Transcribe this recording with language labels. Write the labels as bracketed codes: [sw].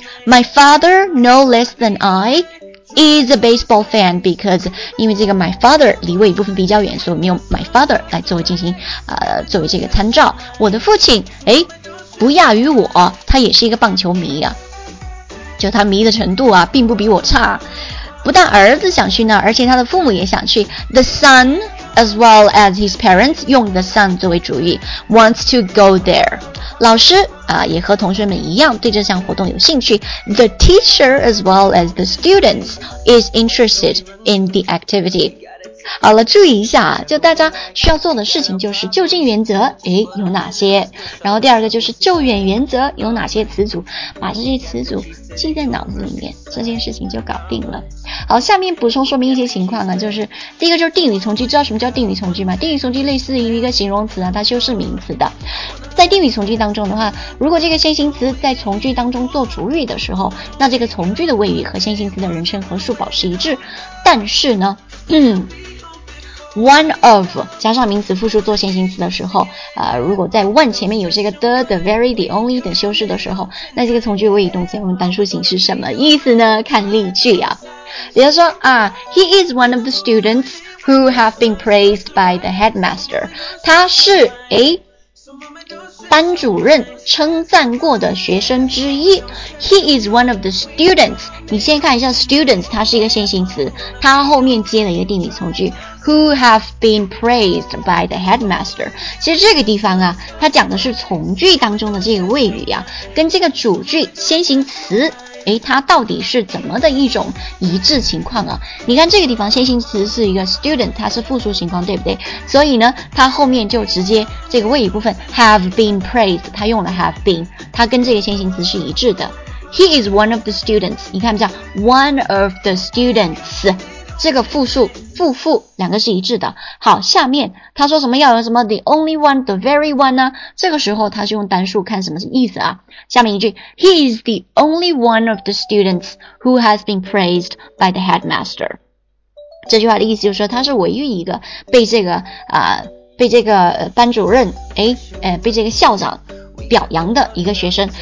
[en] My father no less than I is a baseball fan， [zh] because 因为这个 my father 离位一部分比较远，所以我们用 my father 来作为进行作为这个参照，我的父亲诶不亚于我，他也是一个棒球迷啊，就他迷的程度啊并不比我差，不但儿子想去呢，而且他的父母也想去。 [en] The son as well as his parents [zh] 用 the son 作为主语 [en] wants to go there， [zh] 老师也和同学们一样对这项活动有兴趣。 [en] The teacher as well as the students is interested in the activity。 [zh] 好了，注意一下，就大家需要做的事情就是就近原则诶有哪些，然后第二个就是就远原则有哪些词组，把这些词组记在脑子里面，这件事情就搞定了。好，下面补充说明一些情况呢，就是第一个就是定语从句，知道什么叫定语从句吗？定语从句类似于一个形容词啊，它修饰名词的。在定语从句当中的话，如果这个先行词在从句当中做主语的时候，那这个从句的谓语和先行词的人称和数保持一致，但是呢 one of 加上名词复数做先行词的时候，如果在 one 前面有这个 the very the only 等修饰的时候，那这个从句谓语动词要用单数形式，什么意思呢？看例句啊。比如说啊， [en] he is one of the students who have been praised by the headmaster. [zh] 他是诶班主任称赞过的学生之一。 [en] He is one of the students. [zh] 你先看一下 students， 它是一个先行词，它后面接了一个定语从句， [en] Who have been praised by the headmaster。 [zh] 其实这个地方啊，它讲的是从句当中的这个谓语啊，跟这个主句先行词诶它到底是怎么的一种一致情况啊。你看这个地方先行词是一个 student， 它是复数情况，对不对？所以呢它后面就直接这个谓语部分 have been praised， 它用了 have been， 它跟这个先行词是一致的。 [en] He is one of the students， [zh] 你看不像 [en] one of the students， [zh] 这个复数复复两个是一致的。好，下面他说什么要有什么 [en] the only one the very one [zh] 呢，这个时候他是用单数看什么是意思啊。下面一句， [en] He is the only one of the students who has been praised by the headmaster， [zh] 这句话的意思就是说他是唯一一个被这个被这个班主任被这个校长表扬的一个学生。